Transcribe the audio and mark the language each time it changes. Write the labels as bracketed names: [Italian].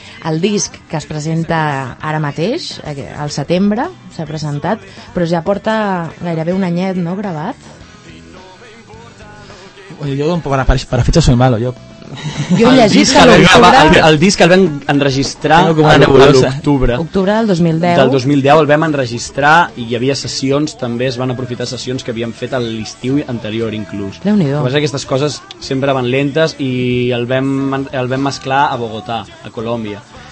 [Catalan] El disc que es presenta ara mateix, al setembre, s'ha presentat, però ja porta gairebé un anyet, no, gravat? [Spanish] Oye, yo para fecha soy malo, yo. [Catalan] Jo he llegit que el disc el vam enregistrar a l'octubre. Octubre del 2010. Del 2010 el vam enregistrar i hi havia sessions, també es van aprofitar sessions que havíem fet a l'estiu anterior inclús. Déu-n'hi-do. Però aquestes coses sempre van lentes i el vam mesclar a Bogotà, a Colòmbia.